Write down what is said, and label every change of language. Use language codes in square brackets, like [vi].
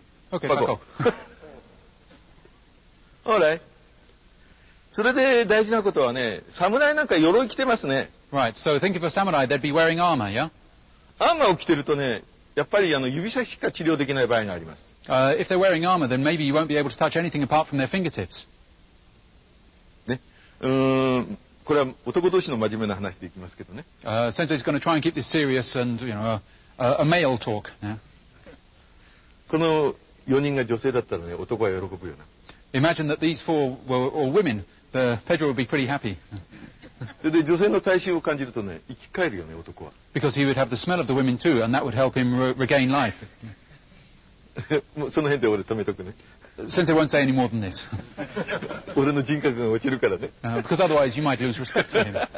[ja] OK、パコ。ほら、それで大事なことはね、侍なんか鎧着てますね。 [en] Right, so thank you for samurai. They'd be wearing armor, yeah? [ja] アーマーを着てるとね、やっぱり指先しか治療できない場合があります。 [en] If they're wearing armor, then maybe you won't be able to touch anything apart from their fingertips. [ja] ね、これは男同士の真面目な話でいきますけどね。 [en] Sensei's going to try and keep this serious and a male talk. Yeah. [ja] この4人が女性だったらね、男は喜ぶような。 [en] Imagine that these four were all women. Pedro would be pretty happy. [ja] で女性の体臭を感じるとね、生き返るよね、男は。 [en] Because he would have the smell of the women too, and that would help him regain life. [ja] もうその辺で俺止めとくね。 [en] Sensei won't say any more than this. [ja] 俺の人格が落ちるからね。 [en] Because otherwise you might lose respect for him.